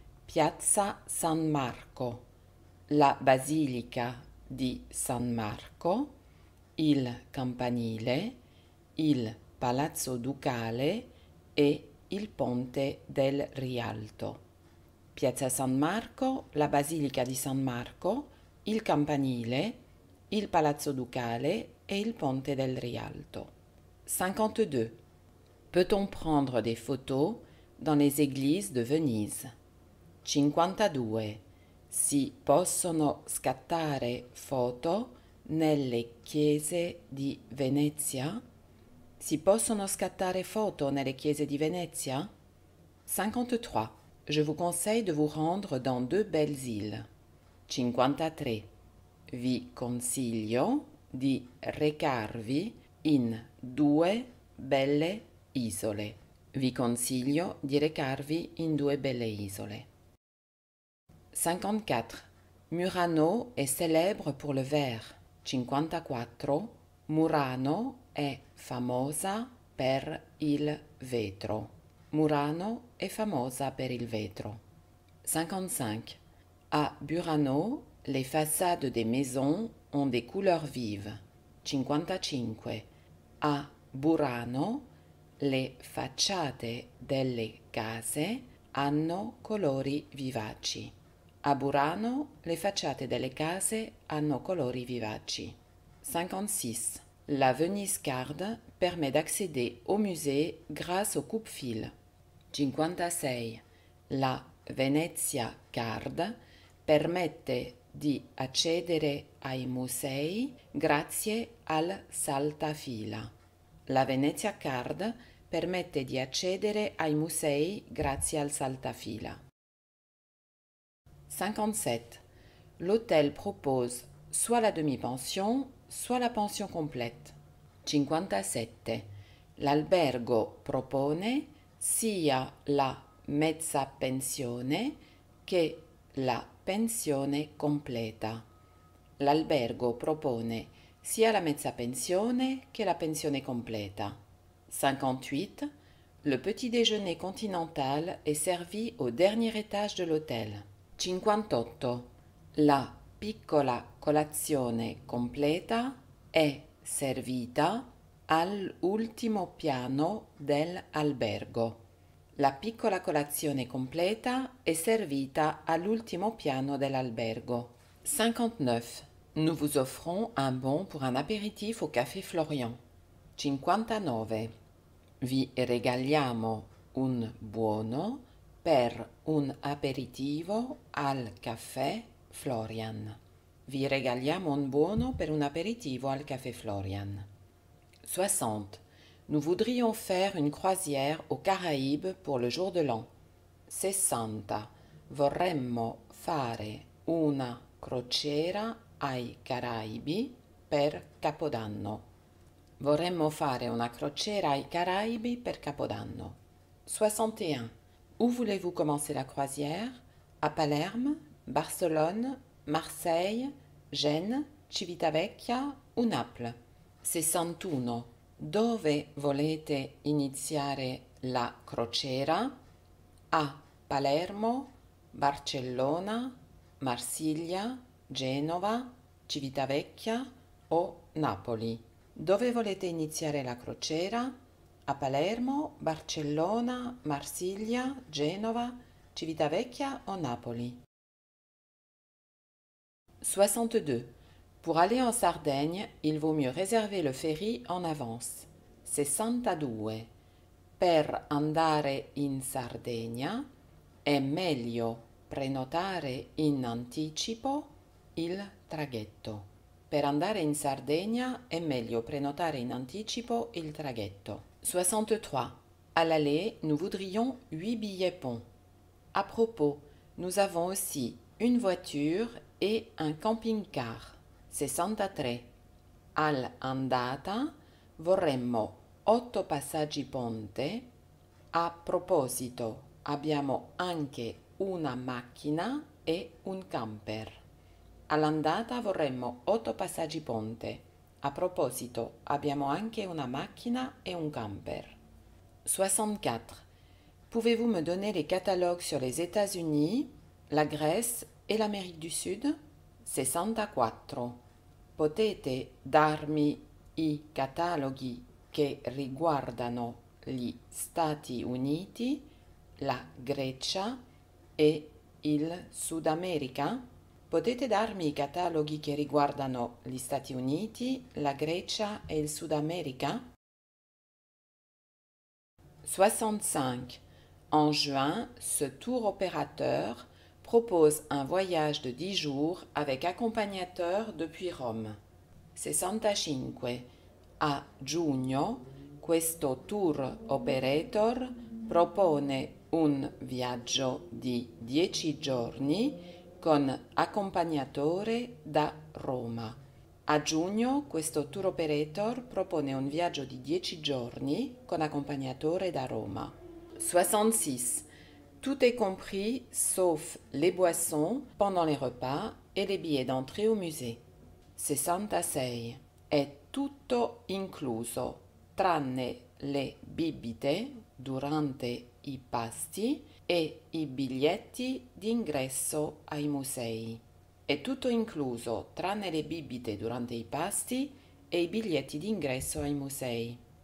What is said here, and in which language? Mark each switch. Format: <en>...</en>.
<it>Piazza San Marco, la basilica di San Marco, il campanile, il palazzo ducale e il ponte del Rialto. Piazza San Marco, la basilica di San Marco, il campanile, il palazzo ducale e il ponte del Rialto.</it> <fr>52. Peut-on prendre des photos dans les églises de Venise?</fr> <it>52. Si possono scattare foto nelle chiese di Venezia? Si possono scattare foto nelle chiese di Venezia?</it> <fr>53. Je vous conseille de vous rendre dans deux belles îles.</fr> <it>53. Vi consiglio di recarvi in due belle isole. Vi consiglio di recarvi in due belle isole.</it> <fr>54. Murano est célèbre pour le verre.</fr> <it>54. Murano è famosa per il vetro. Murano è famosa per il vetro.</it> <fr>55. A Murano, les façades des maisons ont des couleurs vives.</fr> <it>55. A Murano, le facciate delle case hanno colori vivaci. A Murano, le facciate delle case hanno colori vivaci.</it> <fr>56. La Venice Card permet d'accéder au musée grâce au coupe-fil.</fr> <it>56. La Venezia Card permette di accedere ai musei grazie al saltafila. La Venezia Card permette di accedere ai musei grazie al saltafila.</it> <fr>57. L'hôtel propose soit la demi-pension, soit la pension complète.</fr> <it>57. L'albergo propone sia la mezza pensione che la pensione completa. L'albergo propone sia la mezza pensione che la pensione completa.</it> <fr>58. Le petit déjeuner continental est servi au dernier étage de l'hôtel.</fr> <it>58. La piccola colazione completa è servita all'ultimo piano dell'albergo. La piccola colazione completa è servita all'ultimo piano dell'albergo.</it> <fr>59. Nous vous offrons un bon pour un apéritif au Café Florian.</fr> <it>59. Vi regaliamo un buono per un aperitivo al caffè Florian. Vi regaliamo un buono per un aperitivo al caffè Florian.</it> <fr>60. Nous voudrions faire une croisière aux Caraïbes pour le jour de l'an.</fr> <it>60. Vorremmo fare una crociera ai Caraibi per Capodanno. Vorremmo fare una crociera ai Caraibi per Capodanno.</it> <fr>61. Où voulez-vous commencer la croisière? À Palerme, Barcelone, Marseille, Gênes, Civitavecchia ou Naples?</fr> <it>61. Dove volete iniziare la crociera? A Palermo, Barcellona, Marsiglia, Genova, Civitavecchia o Napoli? Dove volete iniziare la crociera? A Palermo, Barcellona, Marsiglia, Genova, Civitavecchia o Napoli?</it> <fr>62. Pour aller en Sardaigne, il vaut mieux réserver le ferry en avance.</fr> <it>62. Per andare in Sardegna è meglio prenotare in anticipo il traghetto. Per andare in Sardegna è meglio prenotare in anticipo il traghetto.</it> <fr>63. À l'aller, nous voudrions 8 billets ponts. À propos, nous avons aussi une voiture et un camping-car.</fr> <it>63. All'andata, vorremmo 8 passaggi ponte. A proposito, abbiamo anche una macchina e un camper. All'andata vorremmo 8 passaggi ponte. A proposito, abbiamo anche una macchina e un camper.</it> <fr>64. Pouvez-vous me donner les catalogues sur les États-Unis, la Grèce et l'Amérique du Sud?</fr> <it>64. Potete darmi i cataloghi che riguardano gli Stati Uniti, la Grecia e il Sud America? Potete darmi i cataloghi che riguardano gli Stati Uniti, la Grecia e il Sud America?</it> <fr>65. En juin, ce tour opérateur propose un voyage de 10 jours avec accompagnateur depuis Rome.</fr> <it>65. A giugno, questo tour operator propone un viaggio di 10 giorni con accompagnatore da Roma. A giugno, questo tour operator propone un viaggio di 10 giorni con accompagnatore da Roma.</it> <fr>66. Tout est compris, sauf les boissons pendant les repas et les billets d'entrée au musée.</fr> <it>66. È tutto incluso, tranne le bibite durante i pasti e i biglietti d'ingresso ai musei. È tutto incluso, tranne le bibite durante i pasti e i biglietti d'ingresso ai musei.</it>